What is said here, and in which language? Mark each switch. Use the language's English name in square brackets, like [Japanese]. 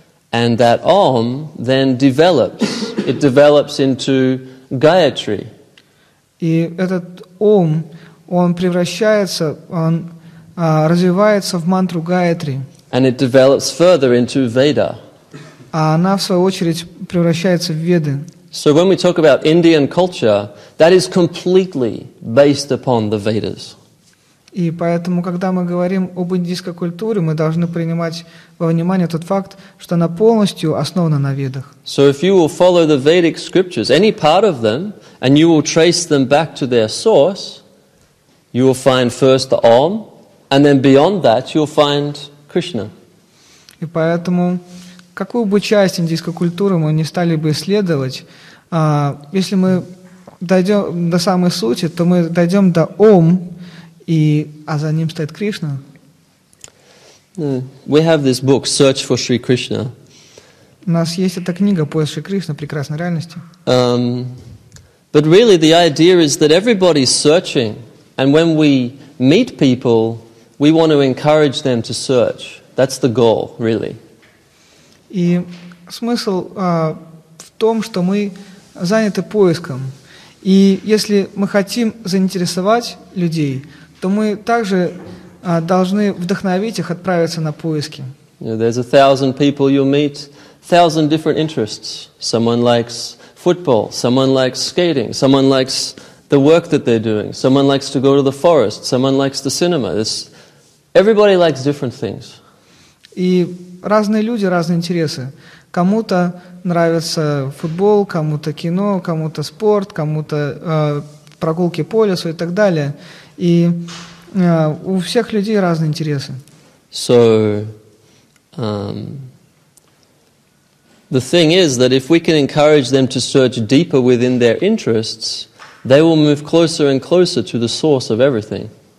[English] And that Om then develops. It develops into Gayatri. [Russian] И этот Ом, он превращается, он развивается в мантру Гаятри. [English] And it develops further into Veda. [Russian] А она в свою очередь превращается в Веды. [English] So when we talk about Indian culture, that is completely based upon the Vedas. [Russian] И поэтому, когда мы говорим об индийской культуре, мы должны принимать во внимание тот факт, что она полностью основана на ведах. [English] So if you will follow the Vedic scriptures, any part of them, and you will trace them back to their source, you will find first the Om, and then beyond that you'll find Krishna. [Russian] И поэтому, какую бы часть индийской культуры мы не стали бы исследовать, если мы дойдем до самой сути, то мы дойдем до Ом, и, а за ним стоит Кришна. [English] We have this book, Search for Sri Krishna. [Russian] У нас есть эта книга «Поиск Шри Кришны. Прекрасной реальности». [English] But really the idea is that everybody's searching, and when we meet people, we want to encourage them to search. That's the goal, really. [Russian] И смысл в том, что мы заняты поиском. И если мы хотим заинтересовать людей, то мы также должны вдохновить их отправиться на поиски. [English] There's 1,000 people you meet, 1,000 different interests. Someone likes football, someone likes skating, someone likes the work that they're doing, someone likes to go to the forest, someone likes the cinema. Everybody likes different things. [Russian] И разные люди, разные интересы. Кому-то нравится футбол, кому-то кино, кому-то спорт, кому-то прогулки по лесу и так далее. И у всех людей разные интересы. [English] So, the thing is that if we can encourage them to search deeper within their interests, they will move closer and closer to the source of everything.